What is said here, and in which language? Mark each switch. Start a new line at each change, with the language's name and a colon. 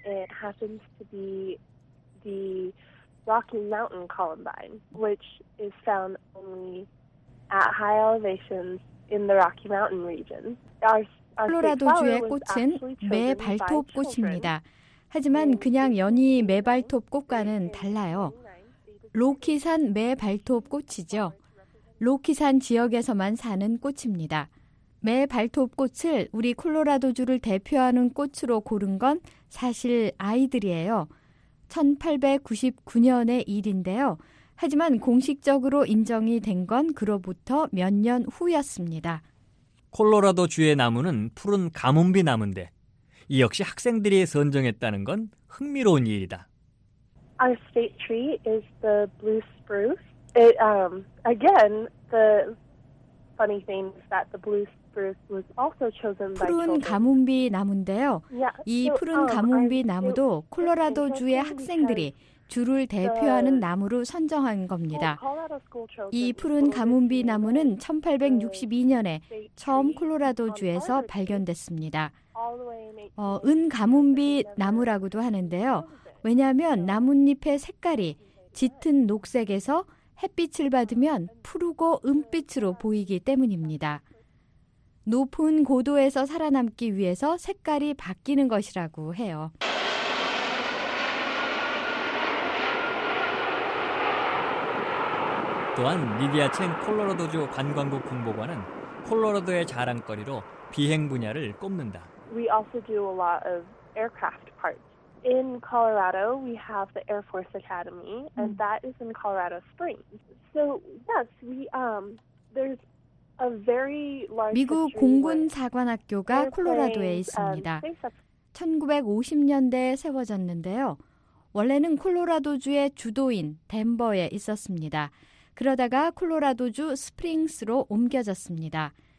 English: It happens to be the Rocky Mountain columbine, which is found only at high elevations in the Rocky Mountain region.
Korean: 콜로라도주의 꽃은 매발톱꽃입니다. 하지만 그냥 연이 매발톱꽃과는 달라요. 로키산 매발톱꽃이죠. 로키산 지역에서만 사는 꽃입니다. 매발톱꽃을 우리 콜로라도주를 대표하는 꽃으로 고른 건 사실 아이들이에요. 1899년의 일인데요. 하지만 공식적으로 인정이 된 건 그로부터 몇 년 후였습니다. 콜로라도주의 나무는 푸른 가뭄비 나무인데 이 역시 학생들이 선정했다는 건 흥미로운 일이다.
English: Our state tree is the blue spruce. It, again, the funny thing is that the blue spruce was also chosen by.
Korean: 푸른 가뭄비 나무인데요. 이 푸른 가뭄비 나무도 콜로라도 주의 학생들이 주를 대표하는 나무로 선정한 겁니다. 이 푸른 가뭄비 나무는 1862년에 처음 콜로라도주에서 발견됐습니다. 은 가뭄비 나무라고도 하는데요. 왜냐하면 나뭇잎의 색깔이 짙은 녹색에서 햇빛을 받으면 푸르고 은빛으로 보이기 때문입니다. 높은 고도에서 살아남기 위해서 색깔이 바뀌는 것이라고 해요. 또한 리디아 첸 콜로라도주 관광국 홍보관은 콜로라도의 자랑거리로 비행 분야를 꼽는다.
English: We also do a lot of aircraft parts. In Colorado, we have the Air Force Academy, and that is in Colorado Springs. So, yes, we there's a very large
Korean: 미국 공군 사관학교가 콜로라도에 있습니다. 1950년대에 세워졌는데요. 원래는 콜로라도주의 주도인 덴버에 있었습니다. 그러다가 콜로라도주 스프링스로 옮겨졌습니다.